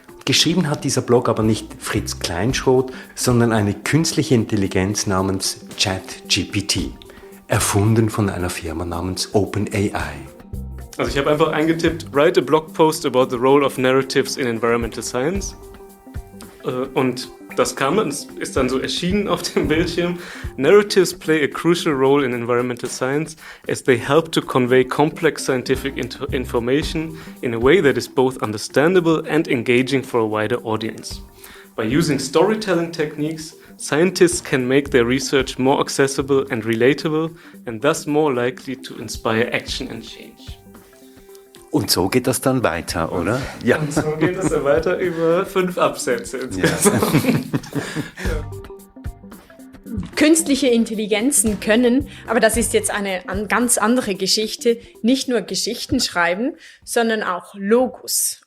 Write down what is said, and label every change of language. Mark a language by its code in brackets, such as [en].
[de] Geschrieben hat dieser Blog aber nicht Fritz Kleinschroth, sondern eine künstliche Intelligenz namens ChatGPT, erfunden von einer Firma namens OpenAI. Also ich habe einfach eingetippt, [en] write a blog post about the role of narratives in environmental science. [de] Und das kam, ist dann so erschienen auf dem Bildschirm. [en] Narratives play a crucial role in environmental science as they help to convey complex scientific information in a way that is both understandable and engaging for a wider audience. By using storytelling techniques, scientists can make their research more accessible and relatable and thus more likely to inspire action and change. [de] Und so geht das dann weiter, oder? Und, ja. Und so geht das dann weiter über 5 Absätze. Ja. Künstliche Intelligenzen können, aber das ist jetzt eine ganz andere Geschichte, nicht nur Geschichten schreiben, sondern auch Logos.